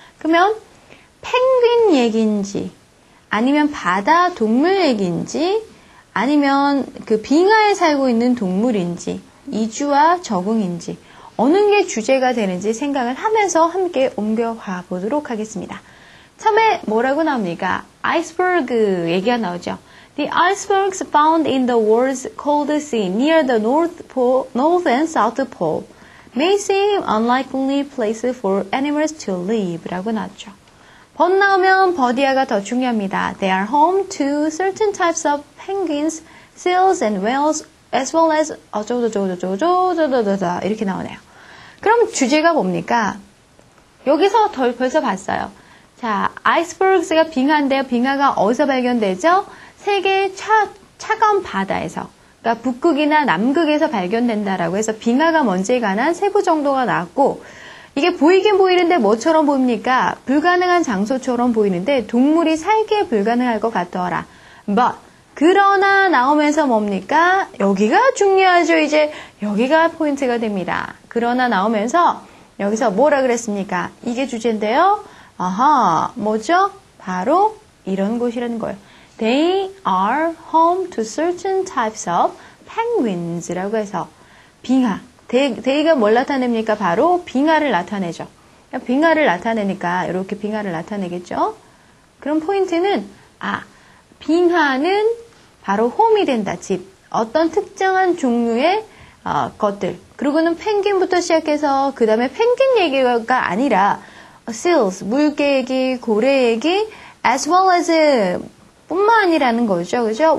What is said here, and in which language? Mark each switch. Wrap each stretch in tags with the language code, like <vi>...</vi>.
<ko>그러면 펭귄 얘기인지 아니면 바다 동물 얘기인지 아니면 그 빙하에 살고 있는 동물인지 이주와 적응인지 어느 게 주제가 되는지 생각을 하면서 함께 옮겨가 보도록 하겠습니다. 처음에 뭐라고 나옵니까? Iceberg 얘기가 나오죠.</ko> <en>The icebergs found in the world's cold sea near the North and South Pole may seem unlikely place for animals to live</en> <ko>라고 나왔죠. But 나오면 버디아가 더 중요합니다.</ko> <en>They are home to certain types of penguins, seals and whales as well as</en> <ko>어쩌고저쩌고저쩌고저쩌고저쩌고 이렇게 나오네요. 그럼 주제가 뭡니까? 여기서 벌써 봤어요. 자, icebergs가 빙하인데요. 빙하가 어디서 발견되죠? 세계 차가운 바다에서 그러니까 북극이나 남극에서 발견된다라고 해서 빙하가 뭔지에 관한 세부 정도가 나왔고, 이게 보이긴 보이는데 뭐처럼 보입니까? 불가능한 장소처럼 보이는데 동물이 살기에 불가능할 것 같더라. But, 그러나 나오면서 뭡니까? 여기가 중요하죠. 이제 여기가 포인트가 됩니다. 그러나 나오면서 여기서 뭐라 그랬습니까? 이게 주제인데요. 아하, 뭐죠? 바로 이런 곳이라는 거예요.</ko> <en>They are home to certain types of penguins라고</en> <ko>해서 빙하. 데이가 뭘 나타냅니까? 바로 빙하를 나타내죠. 빙하를 나타내니까 이렇게 빙하를 나타내겠죠. 그럼 포인트는 아, 빙하는 바로 홈이 된다. 집. 어떤 특정한 종류의 것들. 그리고는 펭귄부터 시작해서 그 다음에 펭귄 얘기가 아니라 seals, 물개 얘기, 고래 얘기,</ko> <en>as well as</en> <ko>뿐만이라는 거죠. 그죠?</ko>